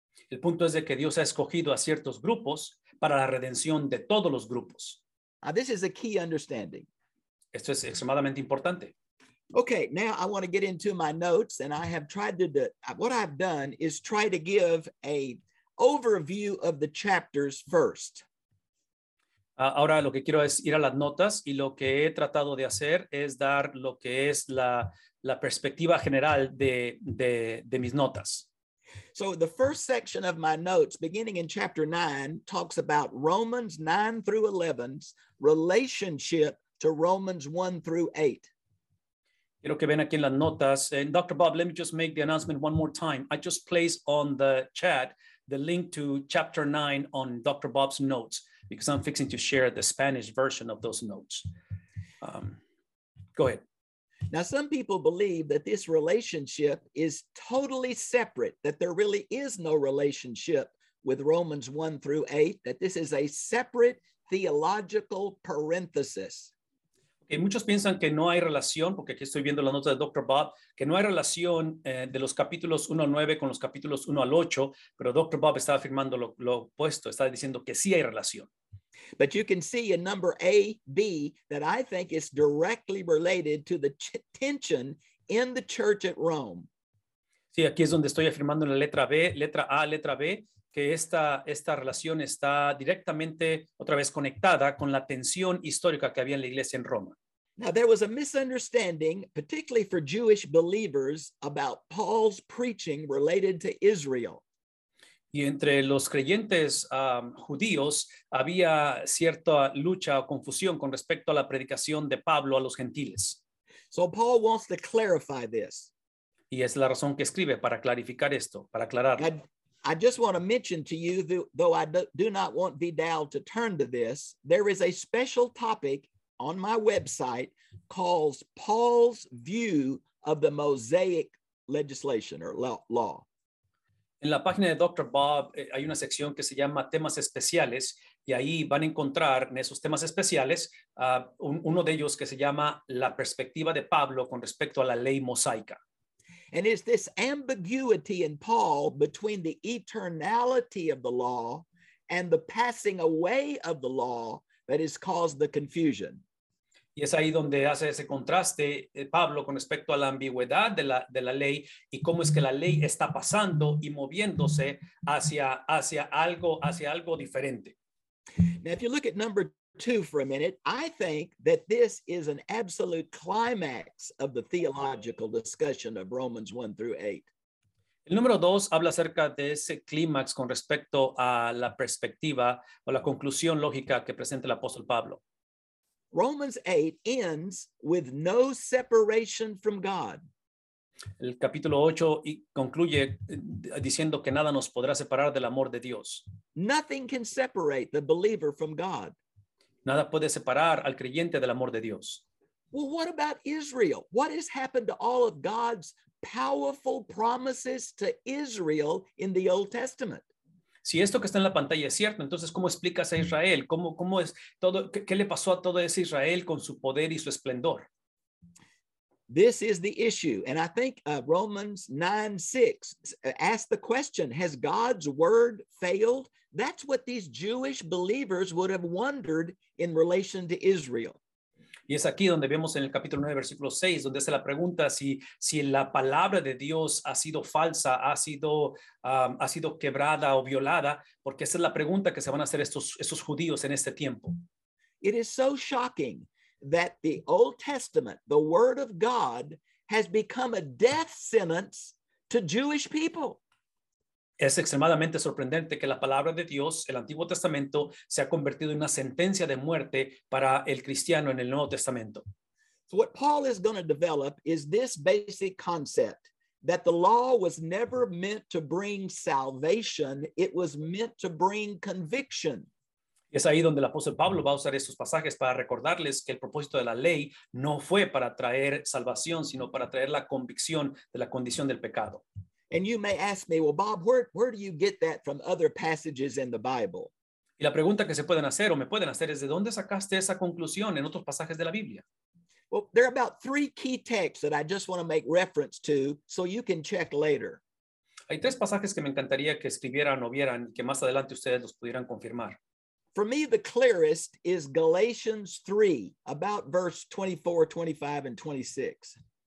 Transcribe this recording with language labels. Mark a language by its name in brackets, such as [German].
[Spanish] El punto es de que Dios ha escogido a ciertos grupos para la redención de todos los grupos. [English] Now, this is a key understanding. [Spanish] Esto es extremadamente importante. [English] Okay, now I want to get into my notes, and I have tried to do, what I've done is try to give a overview of the chapters first. [Spanish] Ahora lo que quiero es ir a las notas y lo que he tratado de hacer es dar lo que es la perspectiva general de mis notas. [English] So the first section of my notes, beginning in chapter 9, talks about Romans 9 through 11's relationship to Romans 1 through 8. [Spanish] Quiero que vean aquí en las notas. [English] And Dr. Bob, let me just make the announcement one more time. I just placed on the chat the link to chapter 9 on Dr. Bob's notes, because I'm fixing to share the Spanish version of those notes. Go ahead. Now, some people believe that this relationship is totally separate, that there really is no relationship with Romans 1 through 8, that this is a separate theological parenthesis. [Spanish] Okay, muchos piensan que no hay relación, porque aquí estoy viendo la nota de Dr. Bob, que no hay relación de los capítulos 1 al 9 con los capítulos 1 al 8, pero Dr. Bob está afirmando lo opuesto, está diciendo que sí hay relación. [English] But you can see in number AB that I think is directly related to the tension in the church at Rome. [Spanish] Sí, aquí es donde estoy afirmando en la letra B, letra A, letra B, que esta relación está directamente otra vez conectada con la tensión histórica que había en la iglesia en Roma. [English] Now there was a misunderstanding, particularly for Jewish believers, about Paul's preaching related to Israel. [Spanish] Y entre los creyentes judíos había cierta lucha o confusión con respecto a la predicación de Pablo a los gentiles. [English] So Paul wants to clarify this. [Spanish] Y es la razón que escribe para clarificar esto, para aclararlo. [English] I just want to mention to you, though I do not want Vidal to turn to this, there is a special topic on my website called Paul's View of the Mosaic Legislation or Law. [Spanish] En la página de Dr. Bob hay una sección que se llama Temas Especiales, y ahí van a encontrar en esos temas especiales uno de ellos que se llama La Perspectiva de Pablo con respecto a la Ley Mosaica. [English] And it's this ambiguity in Paul between the eternality of the law and the passing away of the law that has caused the confusion. [Spanish] Y es ahí donde hace ese contraste Pablo con respecto a la ambigüedad de la ley y cómo es que la ley está pasando y moviéndose hacia algo diferente. [English] Now, if you look at number 2 for a minute, I think that this is an absolute climax of the theological discussion of Romans 1 through 8. [Spanish] El número 2 habla acerca de ese clímax con respecto a la perspectiva o la conclusión lógica que presenta el apóstol Pablo. [English] Romans 8 ends with no separation from God. [Spanish] El capítulo 8 concluye diciendo que nada nos podrá separar del amor de Dios. [English] Nothing can separate the believer from God. [Spanish] Nada puede separar al creyente del amor de Dios. [English] Well, what about Israel? What has happened to all of God's powerful promises to Israel in the Old Testament? [Spanish] Si esto que está en la pantalla es cierto, entonces ¿cómo explicas a Israel? ¿Cómo es todo? ¿Qué le pasó a todo ese Israel con su poder y su esplendor? [English] This is the issue, and I think Romans 9:6 asks the question, has God's word failed? That's what these Jewish believers would have wondered in relation to Israel. [Spanish] Y es aquí donde vemos en el capítulo 9, versículo 6, donde hace la pregunta si la palabra de Dios ha sido falsa, ha sido quebrada o violada, porque esa es la pregunta que se van a hacer estos judíos en este tiempo. [English] It is so shocking that the Old Testament, the Word of God, has become a death sentence to Jewish people. [Spanish] Es extremadamente sorprendente que la palabra de Dios, el Antiguo Testamento, se ha convertido en una sentencia de muerte para el cristiano en el Nuevo Testamento. [English] So what Paul is going to develop is this basic concept that the law was never meant to bring salvation, it was meant to bring conviction. [Spanish] Es ahí donde el apóstol Pablo va a usar estos pasajes para recordarles que el propósito de la ley no fue para traer salvación, sino para traer la convicción de la condición del pecado. [English] And you may ask me, well, Bob, where do you get that from other passages in the Bible? [Spanish] Y la pregunta que se pueden hacer o me pueden hacer es, ¿de dónde sacaste esa conclusión en otros pasajes de la Biblia? [English] Well, there are about 3 key texts that I just want to make reference to so you can check later. [Spanish] Hay 3 pasajes que me encantaría que escribieran o vieran y que más adelante ustedes los pudieran confirmar. [English] For me, the clearest is Galatians 3, about verse 24, 25, and 26.